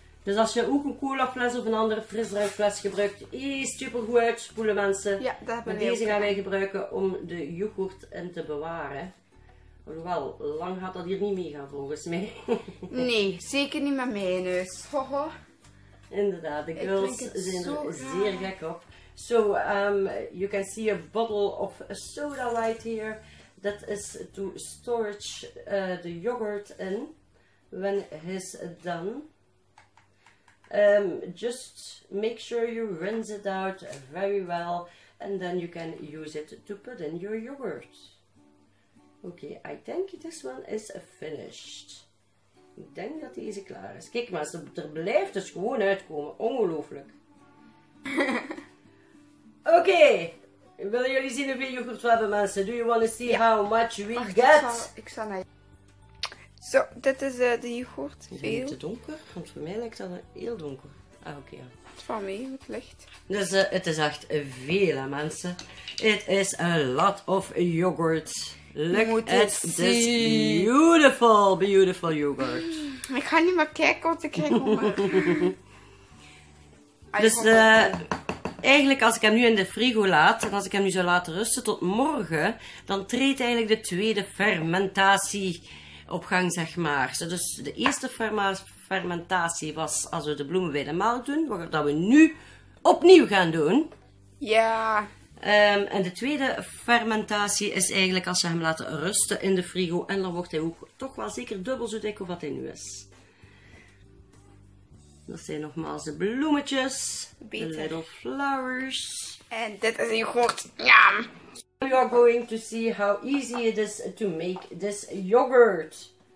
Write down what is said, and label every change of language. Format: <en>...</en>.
<nl>Dus als je ook een cola fles of een andere frisdrankfles gebruikt, is super goed uitspoelen, mensen. Ja, dat hebben we. Maar deze gaan wij gebruiken om de yoghurt in te bewaren. Hoewel, lang gaat dat hier niet mee gaan volgens mij. Nee, zeker niet met mijn neus. Hoho. Inderdaad, de girls zijn er zeer gek op.</nl> <en>So, you can see a bottle of soda light here. That is to storage the yogurt in when it's done. Just make sure you rinse it out very well. And then you can use it to put in your yogurt. Okay, I think this one is finished.</en> <nl>Ik denk dat deze klaar is. Kijk maar, er blijft dus gewoon uitkomen. Ongelooflijk. Oké. Okay. Willen jullie zien hoeveel yoghurt we hebben, mensen?</nl> <en>Do you want to see how much we get?</en> <nl>Ik zal naar zo, dit is de yoghurt. Vind je het te donker? Want voor mij lijkt dat heel donker. Ah, oké. Okay. Het valt mee, het licht. Dus het is echt veel, hè, mensen.</nl> <en>It is a lot of yoghurt. Look</en> <nl>moet</nl> <en>at</en> <nl>zien.</nl> <en>This beautiful, beautiful yoghurt.</en> <nl>Ik ga niet meer kijken wat ik krijg. Dus eigenlijk als ik hem nu in de frigo laat, en als ik hem nu zou laten rusten tot morgen, dan treedt eigenlijk de tweede fermentatie op gang, zeg maar. Dus de eerste fermentatie was als we de bloemen bij de melk doen, wat we nu opnieuw gaan doen. Ja. En de tweede fermentatie is eigenlijk als ze hem laten rusten in de frigo. En dan wordt hij ook toch wel zeker dubbel zo dik of wat hij nu is. Dat zijn nogmaals de bloemetjes. Beter.</nl> <en>The little flowers.</en> <nl>En dit is yoghurt. Yum.</nl> <en>You are going to see how easy it is to make this yoghurt.</en>